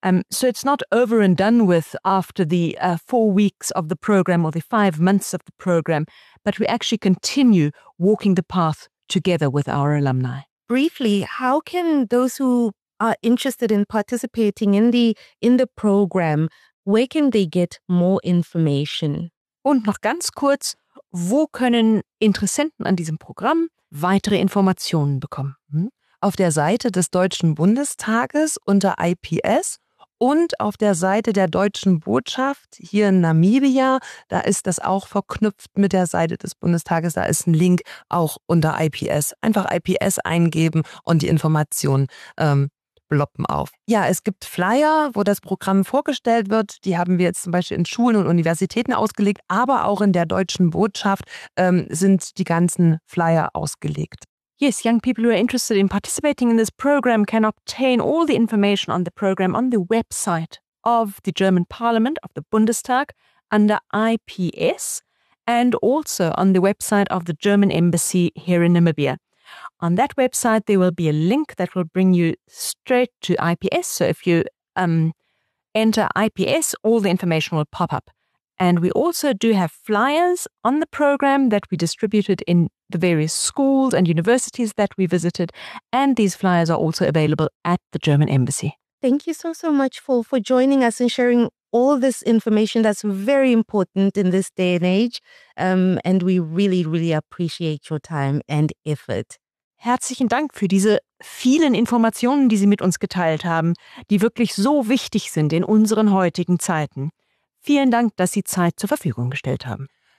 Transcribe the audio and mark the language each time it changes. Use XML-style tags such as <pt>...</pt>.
<en>So it's not over and done with after the 4 weeks of the program or the 5 months of the program, but we actually continue walking the path together with our alumni. Briefly, how can those who are interested in participating in the program, where can they get more information?</en> <de>Und noch ganz kurz, wo können Interessenten an diesem Programm weitere Informationen bekommen? Auf der Seite des Deutschen Bundestages unter IPS. Und auf der Seite der Deutschen Botschaft hier in Namibia, da ist das auch verknüpft mit der Seite des Bundestages, da ist ein Link auch unter IPS. Einfach IPS eingeben und die Informationen bloppen auf. Ja, es gibt Flyer, wo das Programm vorgestellt wird. Die haben wir jetzt zum Beispiel in Schulen und Universitäten ausgelegt, aber auch in der Deutschen Botschaft sind die ganzen Flyer ausgelegt.</de> <en>Yes, young people who are interested in participating in this program can obtain all the information on the program on the website of the German Parliament, of the Bundestag, under IPS, and also on the website of the German Embassy here in Namibia. On that website, there will be a link that will bring you straight to IPS. So if you enter IPS, all the information will pop up. And we also do have flyers on the program that we distributed in the various schools and universities that we visited. And these flyers are also available at the German Embassy. Thank you so much for joining us and sharing all this information that's very important in this day and age. And we really, really appreciate your time and effort.</en> <de>Herzlichen Dank für diese vielen Informationen, die Sie mit uns geteilt haben, die wirklich so wichtig sind in unseren heutigen Zeiten. Vielen Dank, dass Sie Zeit zur Verfügung gestellt haben.</de>